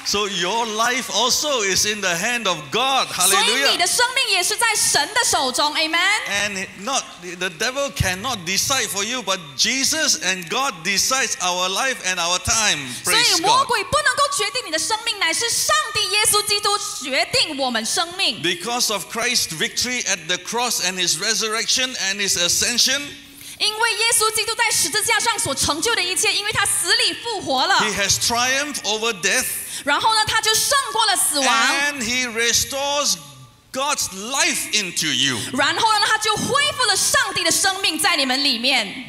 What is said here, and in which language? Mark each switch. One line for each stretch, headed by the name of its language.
English: So your life also is in the hand of God. Hallelujah.
Chinese: 所以你的生命也是在神的手中.
English: Amen. And not the devil cannot decide for you, but Jesus and God decides our life and our time. Praise God.
Chinese: 所以魔鬼不能够决定你的生命，乃是 上帝耶稣基督决定我们生命。
English: Because of Christ's victory at the cross and His resurrection and His ascension,
Chinese: 因为耶稣基督在十字架上所成就的一切，因为他死里复活了。
English: He has triumphed over death.
Chinese: 然后呢，他就胜过了死亡。
English: And He restores God's life into you.
Chinese: 然后呢，他就恢复了上帝的生命在你们里面。